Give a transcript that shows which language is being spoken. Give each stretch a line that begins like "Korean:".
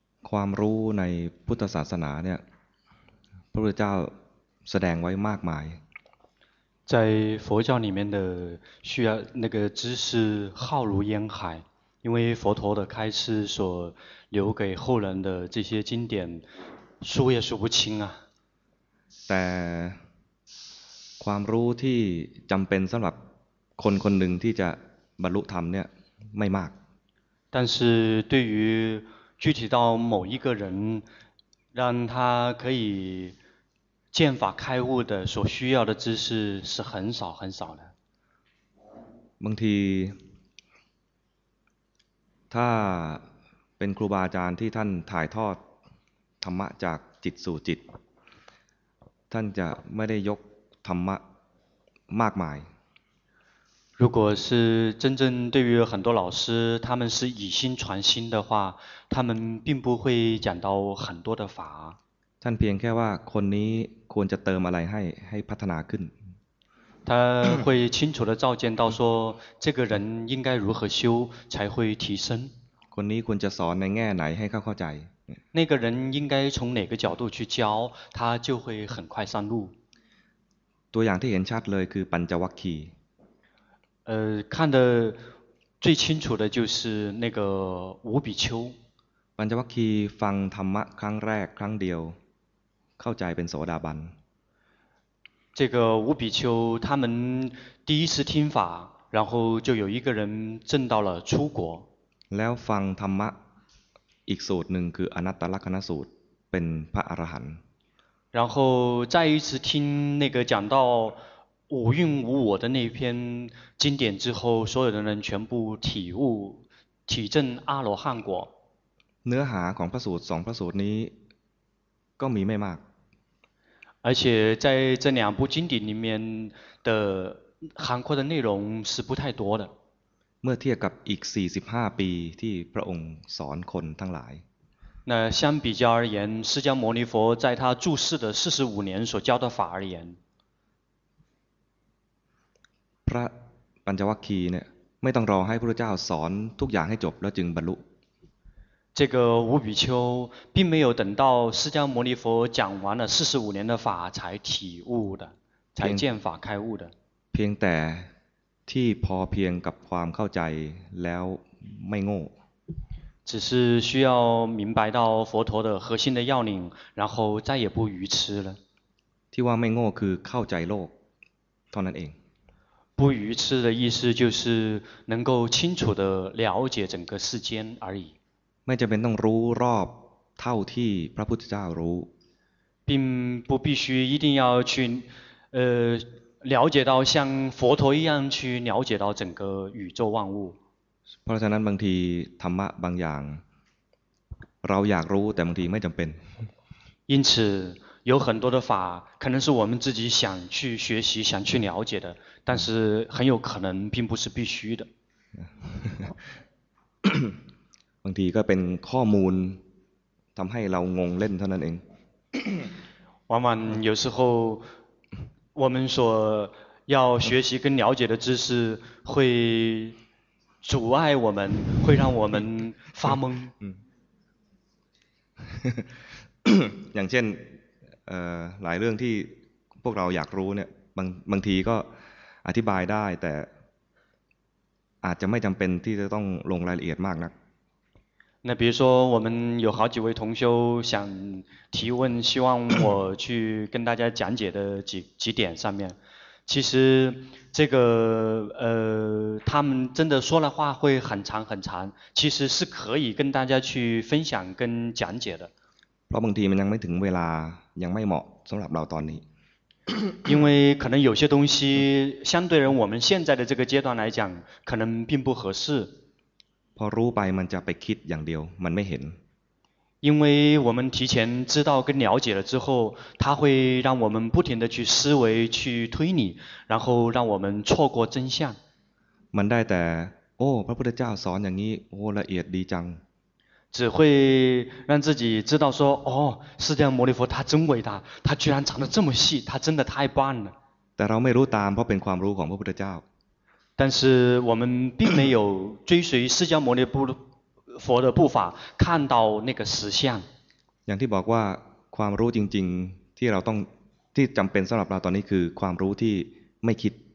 Thai: ความรู้ในพุทธศาสนาเนี่ยพระพุทธเจ้าแสดงไว้มากมาย
Chinese: 在佛教里面的需要那个知识浩如烟海，因为佛陀的开示所留给后人的这些经典数也数不清啊。
Thai: แต่ความรู้ที่จำเป็นสำหรับคนคนหนึ่งที่จะบรรลุธรรมเนี่ยไม่มาก
Chinese: 但是对于具体到某一个人，让他可以见法开悟的所需要的知识是很少很少的。
Thai: บางทีถ้าเป็นครูบาอาจารย์ที่ท่านถ่ายทอดธรรมะจากจิตสู่จิตท่านจะไม่ได้ยกธรรมะมากมาย
Chinese: 如果是真正对于很多老师他们是以心传心的话他们并不会讲到很多的法
Thai: ท่านเพียงแค่ว่าคนนี้ควรจะเติมอะไรให้พัฒนาขึ้น
Chinese: 他会清楚的照见到说这个人应该如何修才会提升
Thai: คนนี้ควรจะสอนในแง่ไหนให้เข้าใจ
Chinese: 那个人应该从哪个角度去教他就会很快上路
Thai: ตัวอย่างที่เห็นชัดเลยคือปัญจวัคคีย์
Chinese: 看的最清楚的就是那个五比丘。
Thai: ปัญจวัคคีย์ฟังธรรมะครั้งแรกครั้งเดียวเข้าใจเป็นโสดาบัน。
Chinese: 这个五比丘他们第一次听法，然后就有一个人证到了出果。
Thai: แล้วฟังธรรมะอีกสูตรหนึ่งคืออนัตตลักขณสูตรเป็นพระอรหันต์。
Chinese: 然后再一次听那个讲到。五蕴无我的那篇经典之后，所有的人全部体悟、体证阿罗汉果。
Thai: เนื้อหาของพระสูตรสองพระสูตรนี้ก็มีไม่มาก。
Chinese: 而且在这两部经典里面的涵括的内容是不太多的。
Thai: เมื่อเทียบกับอีก45ปีที่พระองค์สอนคนทั้งหลาย。
Chinese: 那相比较而言，释迦牟尼佛在他住世的45年所教的法而言。
Thai: พระปัญจวัคคีย์เนี่ยไม่ต้องรอให้พระพุทธเจ้าสอนทุกอย่างให้จบแล้วจึงบรรลุ
Chinese: 这个五比丘并没有等到释迦牟尼佛讲完了45年的法才体悟的才见法开悟的
Thai: เพียงแต่ที่พอเพียงกับความเข้าใจแล้วไม่โง่
Chinese: 只是需要明白到佛陀的核心的要领然后再也不愚痴了
Thai: ที่ว่าไม่โง่คือเข้าใจโลกเท่านั้นเอง
Chinese: 不愚痴的意思就是能够清楚的了解整个世间而已。
Thai: ไม่จำเป็นต้องรู้รอบเท่าที่พระพุทธเจ้ารู้。
Chinese: 并不必须一定要去了解到像佛陀一样去了解到整个宇宙万物。
Thai: เพราะฉะนั้นบางทีธรรมะบางอย่างเราอยากรู้แต่บางทีไม่จำเป็น。
Chinese: 因此有很多的法可能是我们自己想去学习想去了解的但是很有可能并不是必须的
Thai: บางทีก็เป็นข้อมูลทำให้เรางงเล่นเท่านั้นเอง
Chinese: 往往有时候我们所要学习跟了解的知识会阻碍我们会让我们发懵
Thai: อย่างเช่นหลายเรื่องที่พวกเราอยากรู้เนี่ยบางทีก็อธิบายได้แต่อาจจะไม่จำเป็นที่จะต้องลงรายละเอียดมากนัก
Chinese: 那比如说我们有好几位同修想提问希望我去跟大家讲解的几点上面其实这个他们真的说的话会很长很长其实是可以跟大家去分享跟讲解的
Thai: เพราะบางทีมันยังไม่ถึงเวลายังไม่เหมาะสำหรับเราตอนนี้
Chinese: 因为可能有些东西相对于我们现在的这个阶段来讲可能并不合适
Thai: พอรู้ไปมันจะไปคิดอย่างเดียวมันไม่เห็น
Chinese: 因为我们提前知道跟了解了之后它会让我们不停地去思维去推理然后让我们错过真相
Thai: มันได้แต่โอ้พระพุทธเจ้าสอนอย่างนี้โอ้ละเอียดดีจัง
Chinese: 只会让自己知道说哦释迦牟尼佛他真伟大他居然藏得这么细他真的太棒了
Thai: แต่เราไม่รู้ตามเพราะเป็นความรู้ของพระพุทธเจ้า
Chinese: 但是我们并没有追随释迦牟尼佛佛的步伐，看到那个实相。
Thai: อย่างที่บอกว่าความรู้จริงๆที่เราต้องที่จำเป็นสำหรับเราตอนนี้คือความรู้ที่ไม่คิด